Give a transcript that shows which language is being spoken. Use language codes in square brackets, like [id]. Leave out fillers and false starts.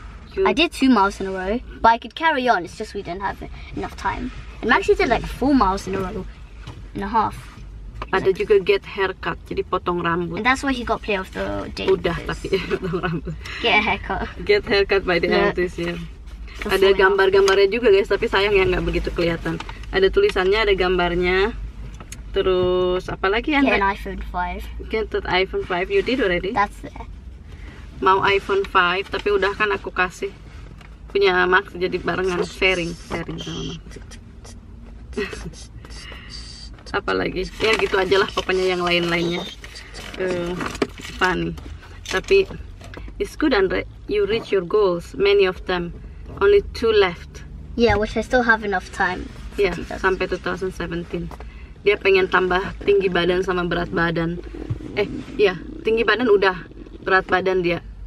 [en] I did 2 miles in a row, but I could carry on, it's just we didn't have enough time. And I actually did like 4 miles in a row and a half. [id] Ada juga [en] get haircut, [id] jadi potong rambut. [en] And that's why he got play of the day. [id] Udah, tapi potong rambut. [en] Get a haircut. Get haircut by the end of this year. [id] Ada gambar-gambarnya juga guys, tapi sayang ya gak begitu kelihatan. Ada tulisannya, ada gambarnya. Terus, apa lagi Andre? [en] Get an iPhone 5. Get an iPhone 5, you did already? That's there. [id] Mau iPhone 5, tapi udah kan aku kasih punya Max, jadi barengan sharing sama Max. Apa lagi? Ya gitu aja lah pokoknya yang lain-lainnya. [en] Funny. Tapi, it's good Andre, you reach your goals, many of them. Only 2 left. Yeah, which I still have enough time. [id] Yeah, sampai 2017. Dia pengen tambah tinggi badan sama berat badan. Tinggi badan udah, berat badan dia.